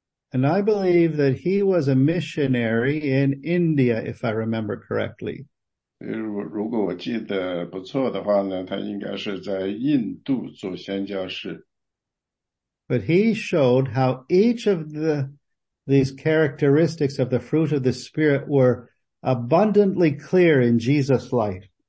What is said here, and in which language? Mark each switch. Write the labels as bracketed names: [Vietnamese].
[English] And I believe that he was a missionary in India, if I remember correctly. [Chinese] 如果我记得不错的话呢，他应该是在印度做宣教士。 [English] But he showed how each of these characteristics of the fruit of the Spirit were abundantly clear in Jesus' life.